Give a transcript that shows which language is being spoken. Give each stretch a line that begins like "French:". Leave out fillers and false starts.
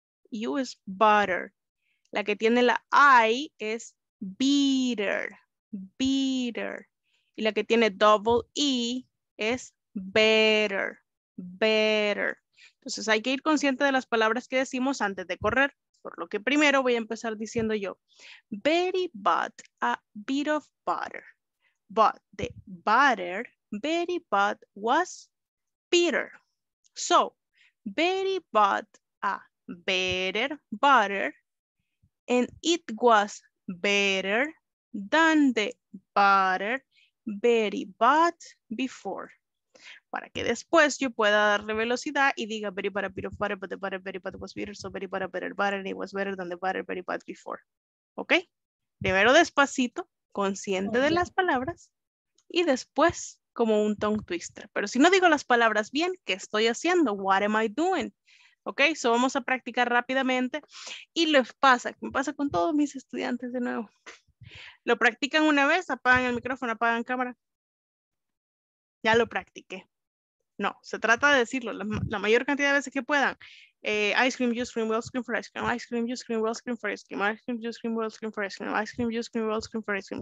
English: U is butter.
Spanish: La que tiene la I es bitter. Bitter. Y la que tiene double E es better. Better. Entonces hay que ir consciente de las palabras que decimos antes de correr, por lo que primero voy a empezar diciendo yo.
English: Betty bought a bit of butter, but the butter Betty bought was bitter. So, Betty bought a better butter and it was better than the butter Betty bought before.
Spanish: Para que después yo pueda darle velocidad y diga
English: very bad, a bit of butter, but the butter very bad was bitter, so very bad, a better butter, and it was better than the butter very bad before. ¿Ok?
Spanish: Primero despacito, consciente de las palabras, y después como un tongue twister. Pero si no digo las palabras bien, ¿qué estoy haciendo?
English: What am I doing?
Spanish: ¿Ok? So vamos a practicar rápidamente. Y les pasa, me pasa con todos mis estudiantes de nuevo. Lo practican una vez, apagan el micrófono, apagan cámara. Ya lo practiqué. No, se trata de decirlo la mayor cantidad de veces que puedan.
English: Ice cream, you scream, we'll scream for ice cream. Ice cream, you scream, we'll scream for ice cream. Ice cream, you scream, we'll scream for ice cream. Ice cream, you scream, we'll scream for ice cream.